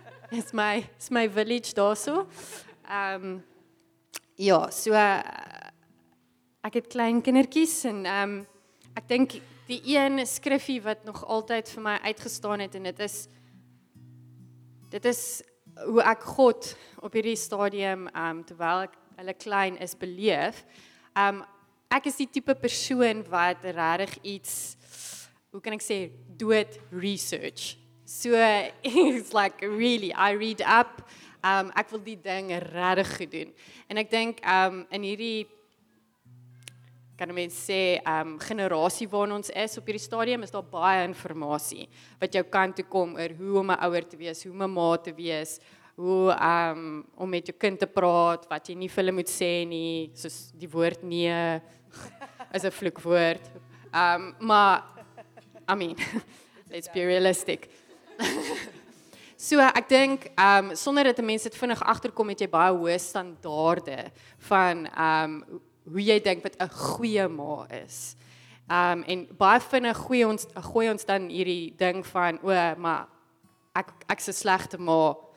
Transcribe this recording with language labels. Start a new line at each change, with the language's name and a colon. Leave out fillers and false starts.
Afrikaans: Is my village daarso. Ek het klein kindertjies en ek dink die een skriffie wat nog altyd vir my uitgestaan het en dit is hoe ek God op hierdie stadium terwyl ek hulle klein is beleef. Ek is die tipe persoon wat regtig iets, hoe kan ek sê, dood research.
English: So it's like really I read up.
Afrikaans: Ek wil die ding regtig goed doen. En ek dink in hierdie kan men sê, generasie waarin ons is op hierdie stadium, is daar baie informatie wat jou kan toe kom oor hoe om 'n ouer te wees, hoe om 'n ma te wees, hoe om met jou kind te praat, wat jy nie vir hulle moet sê nie, soos die woord nee, is 'n vloekwoord.
English: Maar, I mean, let's be realistic.
Afrikaans: So ek dink, sonder dat die mens dit vinnig agterkom, het jy baie hoë standaarde van hoe jy dink wat 'n goeie ma is. En baie vinnig gooi ons dan hierdie ding van, maar ek is 'n slegte ma.